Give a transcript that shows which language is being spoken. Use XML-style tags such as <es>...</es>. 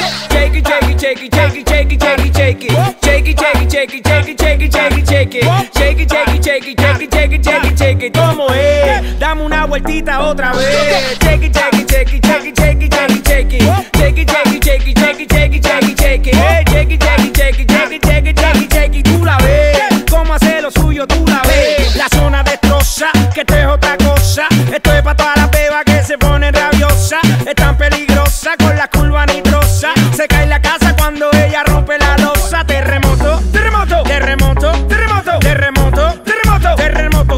<en>Shake it, shake it, shake it, shake it, shake it, shake it, shake it. Shake it, shake it, shake it, shake it, shake it, shake it, shake it. Shake it, shake it, shake it, shake it, shake it, shake it, shake it.</en> <es>¿Cómo es? Dame una vueltita otra vez.</es> <en>Shake it, shake it, shake it, shake it, shake it, shake it, shake it. Shake it, shake it, shake it, shake it, shake it, shake it, shake it. Hey, shake it, shake it, shake it, shake it, shake it, shake it, shake it.</en> <es>Tú la ves. ¿Cómo hace lo suyo? Tú la ves. La zona destroza, que esto es otra cosa. Esto es pa' toda la beba que se pone rabiosa. Es tan peligrosa con la curva nitrosa. Se cae la casa cuando ella rompe la losa. Terremoto, terremoto, terremoto, terremoto, terremoto, terremoto, terremoto.</es>